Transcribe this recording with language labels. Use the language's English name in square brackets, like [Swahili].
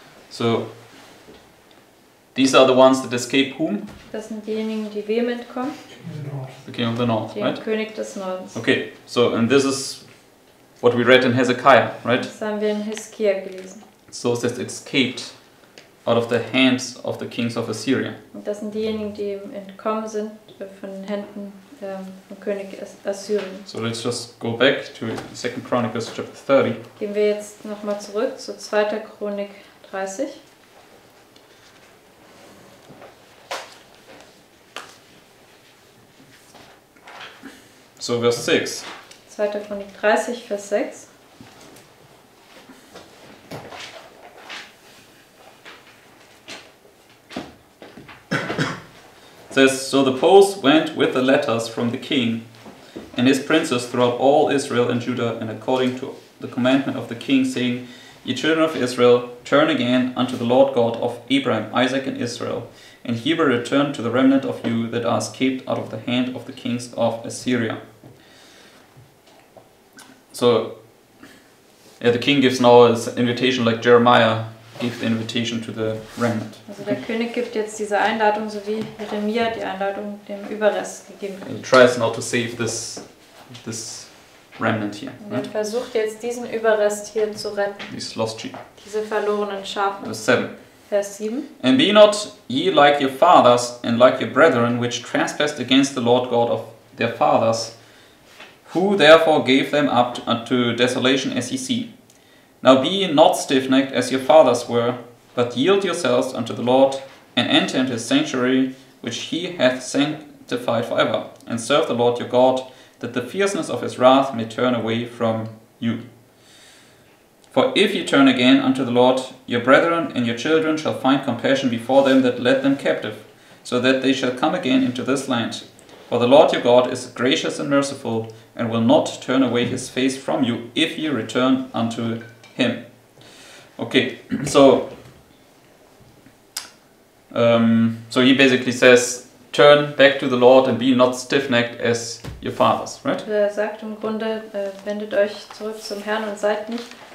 [English] So, these are the ones that escape whom? [German] Das sind diejenigen, die wem entkommen? [English] The king of the north, [German] den [English] right? [German] König des Nordens. [English] Okay, so, and this is what we read in Hezekiah, right? [German] Das haben wir in Hezekiah gelesen. [English] So it says, escaped out of the hands of the kings of Assyria. [German] Und das sind diejenigen, die entkommen sind von den Händen von König Assyrien. [English] So let's just go back to 2 Chronicles chapter 30. [German] Gehen wir jetzt nochmal zurück zu 2. Chronik 30. [English] So verse 6. [German] 2. Chronik 30, Vers 6. [English] It says, so the post went with the letters from the king and his princes throughout all Israel and Judah, and according to the commandment of the king, saying, ye children of Israel, turn again unto the Lord God of Abraham, Isaac, and Israel, and he will return to the remnant of you that are escaped out of the hand of the kings of Assyria. So, yeah, the king gives now his invitation, like Jeremiah gave the invitation to the remnant. [German] Also, der König gibt jetzt diese Einladung, so wie Jeremia die Einladung dem Überrest gegeben hat. [English] He tries now to save this remnant here. [German] Und right? Er versucht jetzt diesen Überrest hier zu retten. [English] These lost sheep. [German] Diese verlorenen Schafe. [English] Verse 7. [German] Vers 7. [English] And be not ye like your fathers and like your brethren, which trespassed against the Lord God of their fathers, who therefore gave them up unto desolation as ye see. Now be ye not stiff-necked as your fathers were, but yield yourselves unto the Lord, and enter into his sanctuary, which he hath sanctified forever, and serve the Lord your God, that the fierceness of his wrath may turn away from you. For if ye turn again unto the Lord, your brethren and your children shall find compassion before them that led them captive, so that they shall come again into this land. For the Lord your God is gracious and merciful, and will not turn away his face from you if you return unto him. Okay, so so he basically says, turn back to the Lord and be not stiff-necked as your fathers, right? [German] Er sagt im Grunde, wendet euch zurück zum Herrn und seid nicht